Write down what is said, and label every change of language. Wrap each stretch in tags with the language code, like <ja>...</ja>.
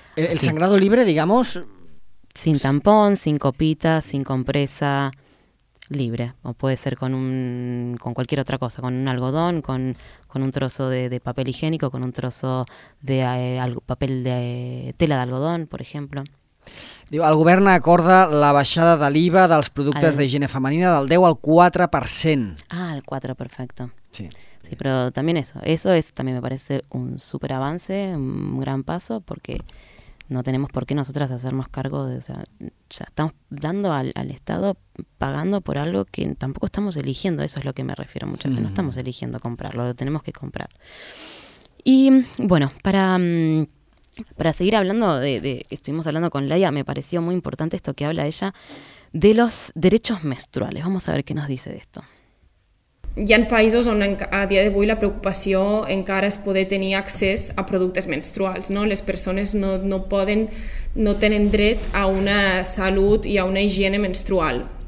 <es>El sangrado libre, digamos... Sin tampón, sin copita, sin compresa, libre. O puede ser con cualquier otra cosa, con un algodón, con un trozo de papel higiénico, con un trozo de papel de tela de algodón, por ejemplo.</es> <ca>Diu, el govern acorda la baixada de l'IVA dels productes de higiene femenina del 10 al 4%.</ca> <es>Ah, el 4, perfecto. Sí. Sí, pero también eso. Eso es también me parece un súper avance, un gran paso, porque... No tenemos por qué nosotras hacernos cargo de, o sea, ya estamos dando al Estado, pagando por algo que tampoco estamos eligiendo, eso es lo que me refiero muchas veces, no estamos eligiendo comprarlo, lo tenemos que comprar. Y bueno, para seguir hablando, estuvimos hablando con Laia, me pareció muy importante esto que habla ella de los derechos menstruales, vamos a ver qué nos dice de esto.</es> <ca>Hi ha països on a dia d'avui la preocupació encara és poder tenir accés a productes menstruals. No? Les persones no tenen dret a una salut i a una higiene menstrual.</ca>